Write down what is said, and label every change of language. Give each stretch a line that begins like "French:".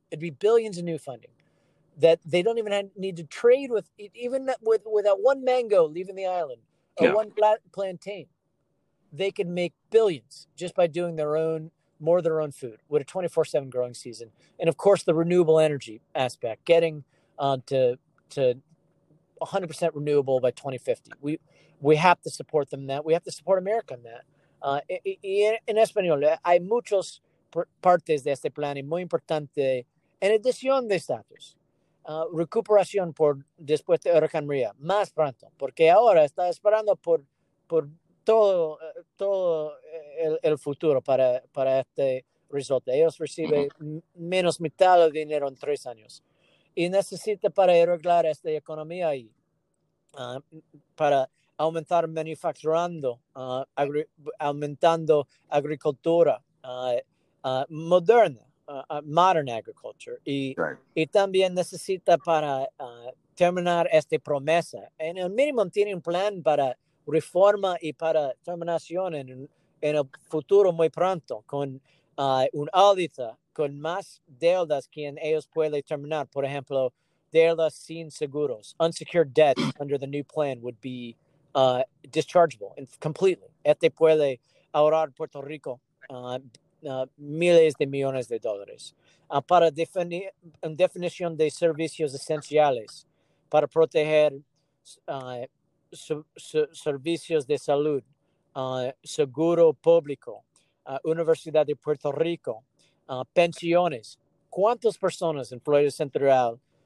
English: It'd be billions in new funding that they don't even need to trade with, even with that one mango leaving the island or one plantain. They could make billions just by doing more of their own food with a 24/7 growing season. And of course, the renewable energy aspect, getting to 100% renewable by 2050. We have to support them in that. We have to support America in that.
Spanish: En español, hay muchas partes de este plan y muy importante en adición de estatus. Recuperación por después de Hurricane Maria, más pronto, porque ahora está esperando por todo el futuro para este resultado. Ellos reciben menos mitad del dinero en 3 años y necesita para arreglar esta economía ahí, para aumentar manufacturando, aumentando agricultura moderna,
English: modern agriculture.
Spanish: Y también necesita para terminar esta promesa. En el mínimo tiene un plan para reforma y para terminación en el futuro muy pronto, con un audita, con más deudas que ellos pueden terminar. Por ejemplo, deudas sin seguros.
English: Unsecured debts under the new plan would be dischargeable and completely.
Spanish: Este puede ahorrar Puerto Rico miles de millones de dólares. Para definir definición de servicios esenciales, para proteger servicios de salud, seguro público, Universidad de Puerto Rico, pensiones. ¿Cuántas personas en Florida Central